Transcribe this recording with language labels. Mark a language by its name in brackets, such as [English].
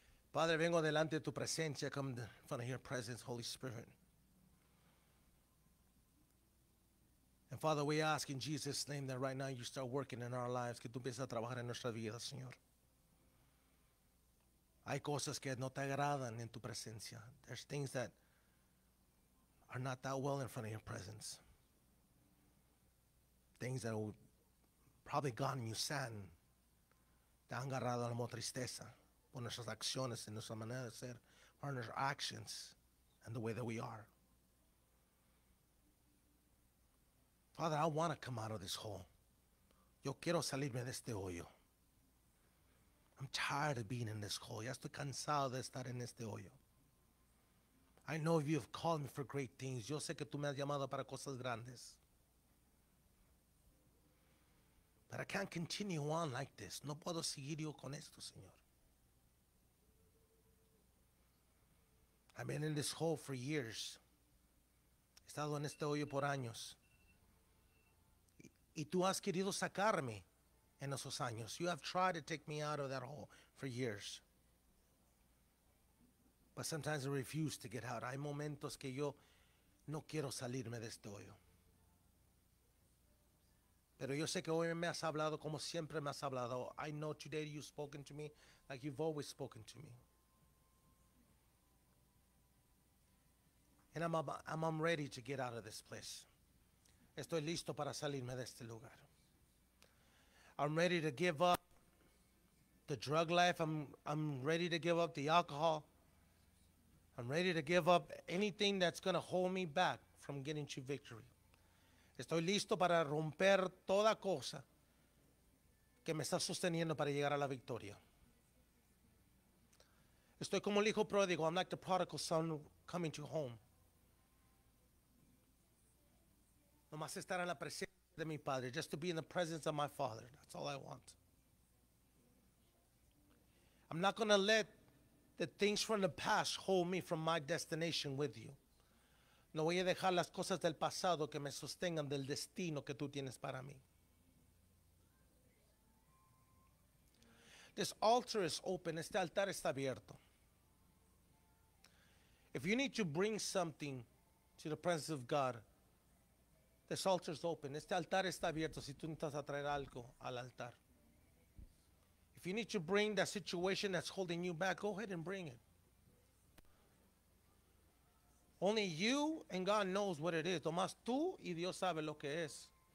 [Spanish] Padre, vengo delante de tu presencia. [English] Come in front of your presence, Holy Spirit. And Father, we ask in Jesus' name that right now you start working in our lives. [Spanish] Que tú empieces a trabajar en nuestra vida, Señor. Hay cosas que no te agradan en tu presencia. [English] There's things that are not that well in front of your presence. Things that have probably gotten you sad. [Spanish] Te han agarrado a la tristeza por nuestras acciones y nuestra manera de ser, por nuestras [English] actions and the way that we are. Father, I want to come out of this hole. [Spanish] Yo quiero salirme de este hoyo. [English] I'm tired of being in this hole. [Spanish] Ya estoy cansado de estar en este hoyo. [English] I know you have called me for great things. [Spanish] Yo sé que tú me has llamado para cosas grandes. [English] But I can't continue on like this. No puedo seguir yo con esto, Señor. I've been in this hole for years. [Spanish] He estado en este hoyo por años. Y tú has querido sacarme en esos años. [English] You have tried to take me out of that hole for years. But sometimes I refuse to get out. [Spanish] Hay momentos que yo no quiero salirme de este hoyo. Pero yo sé que hoy me has hablado como siempre me has hablado. [English] I know today you've spoken to me like you've always spoken to me. And I'm ready to get out of this place. [Spanish] Estoy listo para salirme de este lugar. [English] I'm ready to give up the drug life. I'm ready to give up the alcohol. I'm ready to give up anything that's going to hold me back from getting to victory. [Spanish] Estoy listo para romper toda cosa que me está sosteniendo para llegar a la victoria. Estoy como el hijo pródigo. [English] I'm like the prodigal son coming to home. [Spanish] Nomás estar en la presencia de mi padre. [English] Just to be in the presence of my father. That's all I want. I'm not going to let the things from the past hold me from my destination with you. [Spanish] No voy a dejar las cosas del pasado que me sostengan del destino que tú tienes para mí. [English] This altar is open. [Spanish] Este altar está abierto. [English] If you need to bring something to the presence of God, this altar is open. [Spanish] Este altar está abierto si tú necesitas traer algo al altar. [English] If you need to bring that situation that's holding you back, go ahead and bring it. Only you and God knows what it is. [Spanish] Tomás tú y Dios sabe lo que es.